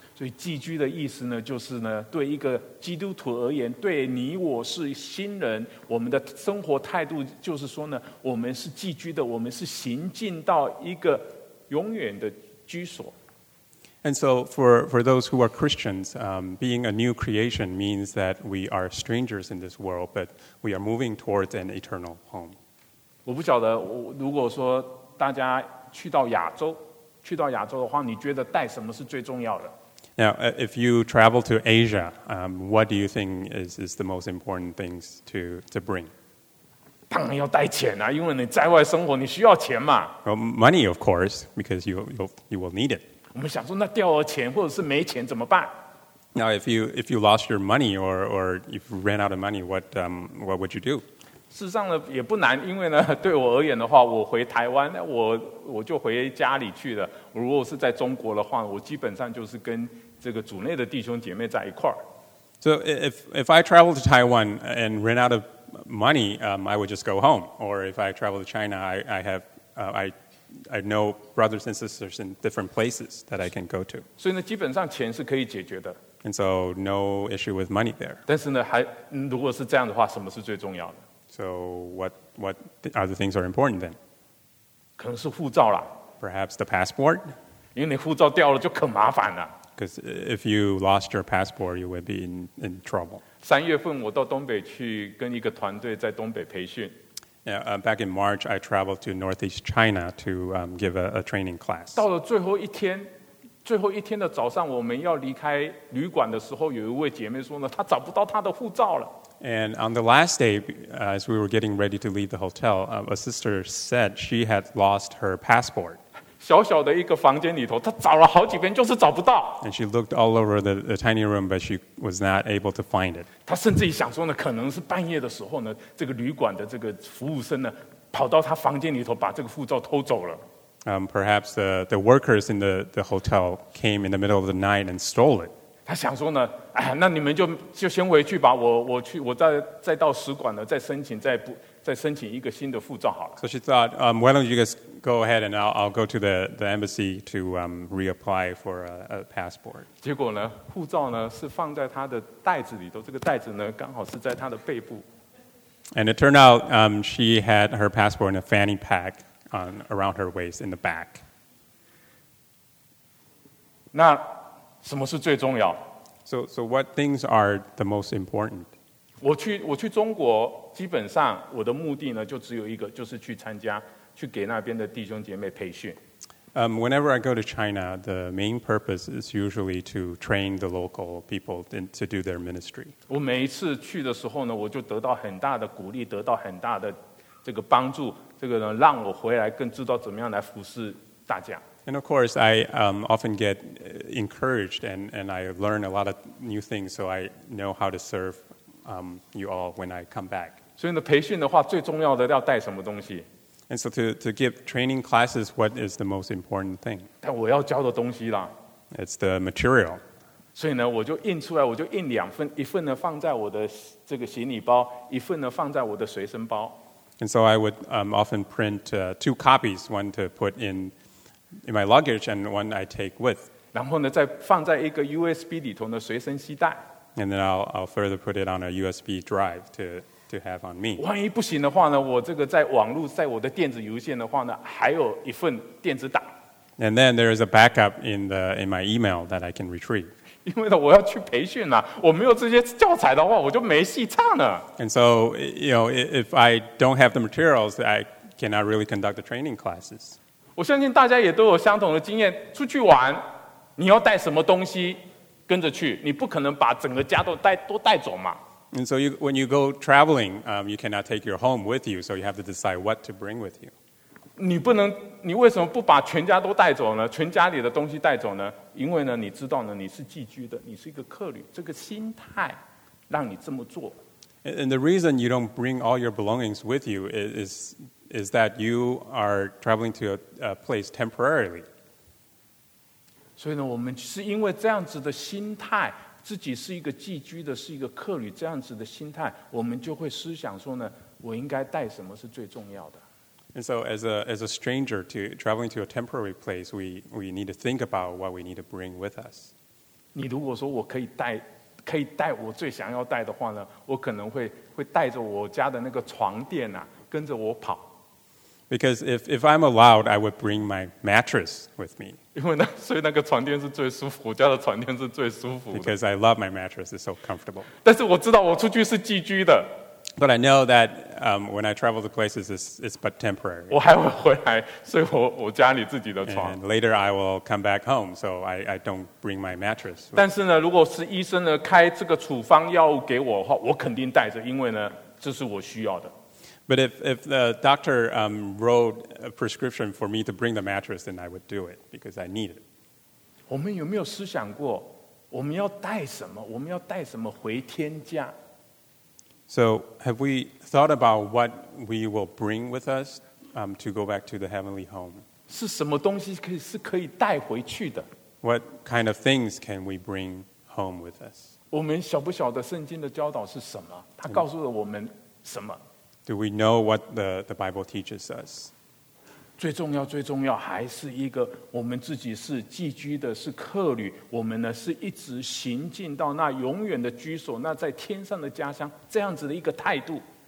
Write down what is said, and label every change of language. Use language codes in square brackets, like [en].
[zh] 所以寄居的意思呢，就是呢，对一个基督徒而言，对你我是新人，我们的生活态度就是说呢，我们是寄居的，我们是行进到一个永远的居所。 [en] And so for those who are Christians, being a new creation means that we are strangers in this world, but we are moving towards an eternal home. [zh] 我不晓得，如果说大家去到亚洲，去到亚洲的话，你觉得带什么是最重要的 [en] ？Now, if you travel to Asia, what do you think is the most important things to bring? [zh] 当然要带钱啊，因为你在外生活，你需要钱嘛。 [en] Well, money, of course, because you will need it. [zh] 我们想说，那掉了钱或者是没钱怎么办 [en] ？Now, if you lost your money or you ran out of money, what would you do? [zh] 事实上呢也不难，因为呢对我而言的话，我回台湾，我就回家里去了。如果是在中国的话，我基本上就是跟这个组内的弟兄姐妹在一块儿。 [en] So if I travel to Taiwan and ran out of money, I would just go home. Or if I travel to China, I know brothers and sisters in different places that I can go to. [zh] 所以呢，基本上钱是可以解决的。 [en] And so no issue with money there. [zh] 但是呢，还如果是这样的话，什么是最重要的？ [en] So what what other things are important then? [zh] 可能是护照啦。 [en] Perhaps the passport? [zh] 因为你护照掉了就可麻烦了。 [en] Because if you lost your passport, you would be in trouble. [zh] 三月份我到东北去跟一个团队在东北培训。 [en] Yeah, back in March, I traveled to Northeast China to give a training class. [zh] 到了最后一天，最后一天的早上，我们要离开旅馆的时候，有一位姐妹说呢，她找不到她的护照了。 [en] And on the last day, as we were getting ready to leave the hotel, a sister said she had lost her passport. [zh] 小小的一个房间里头，她找了好几遍，就是找不到。 [en] And she looked all over the tiny room, but she was not able to find it. [zh] 她甚至于想说呢，可能是半夜的时候呢，这个旅馆的这个服务生呢，跑到她房间里头把这个护照偷走了。 [en] Perhaps the workers in the hotel came in the middle of the night and stole it. [zh] 他想说呢，哎，那你们就先回去吧。我去，我再到使馆呢，再申请一个新的护照好了。 [en] So she thought, why don't you guys go ahead and I'll go to the embassy to reapply for a passport. [zh] 结果呢，护照呢是放在他的袋子里头，这个袋子呢刚好是在他的背部。 [en] And it turned out, she had her passport in a fanny pack. Around her waist in the back. [zh] 那什么是最重要？ [en] So what things are the most important? [zh] 我去中国，基本上我的目的呢就只有一个，就是去参加，去给那边的弟兄姐妹培训。 [en] Whenever I go to China, the main purpose is usually to train the local people to do their ministry. [zh] 我每一次去的时候呢，我就得到很大的鼓励，得到很大的这个帮助。这个呢，让我回来更知道怎么样来服侍大家。 [en] And of course, I often get encouraged, and I learn a lot of new things, so I know how to serve you all when I come back. [zh] 所以呢，培训的话，最重要的要带什么东西 [en] ？And so to give training classes, what is the most important thing? [zh] 但我要教的东西啦。 [en] It's the material. [zh] 所以呢，我就印出来，我就印两份，一份呢放在我的这个行李包，一份呢放在我的随身包。 [en] And so I would often print two copies, one to put in my luggage and one I take with. [zh] 然后呢，再放在一个 USB 里头的随身携带。 [en] And then I'll further put it on a USB drive to have on me. [zh] 万一不行的话呢，我这个在网路，在我的电子邮件的话呢，还有一份电子档。 [en] And then there is a backup in my email that I can retrieve. [zh] 因为呢，我要去培训啦、啊。我没有这些教材的话，我就没戏唱了。 [en] And so, you know, if I don't have the materials, I cannot really conduct the training classes. [zh] 我相信大家也都有相同的经验。出去玩，你要带什么东西跟着去？你不可能把整个家都带走嘛。 [en] And so, when you go traveling, you cannot take your home with you. So you have to decide what to bring with you. [zh] 你为什么不把全家都带走呢？全家里的东西带走呢？因为呢，你知道呢，你是寄居的，你是一个客旅，这个心态让你这么做。 [en] And the reason you don't bring all your belongings with you is that you are traveling to a place temporarily. [zh] 所以呢，我们是因为这样子的心态，自己是一个寄居的，是一个客旅，这样子的心态，我们就会思想说呢，我应该带什么是最重要的。 [en] And so as a stranger to traveling to a temporary place, we need to think about what we need to bring with us. [zh] 你如果说我可以带我最想要带的话呢，我可能会带着我家的那个床垫啊，跟着我跑。 [en] Because if I'm allowed, I would bring my mattress with me. [zh] 因为那个床垫是最舒服，我家的床垫是最舒服的。 [en] Because I love my mattress, it's so comfortable. [zh] 但是我知道我出去是寄居的。 [en] But I know that when I travel to places, it's but temporary. [zh] 我还会回来，所以我家里自己的床。 [en] And later I will come back home, so I don't bring my mattress. [zh] 但是呢，如果是医生呢开这个处方药物给我的话，我肯定带着，因为呢这是我需要的。 [en] But if the doctor wrote a prescription for me to bring the mattress, then I would do it because I need it. [zh] 我们有没有思想过我们要带什么？我们要带什么回天家？ [en] So, have we thought about what we will bring with us to go back to the heavenly home? [zh] 是什么东西是可以带回去的？ [en] What kind of things can we bring home with us? [zh] 我们晓不晓得圣经的教导是什么？它告诉了我们什么？ [en] Do we know what the Bible teaches us? [zh] 最重要，最重要，还是一个我们自己是寄居的，是客旅。我们呢，是一直行进到那永远的居所，那在天上的家乡，这样子的一个态度。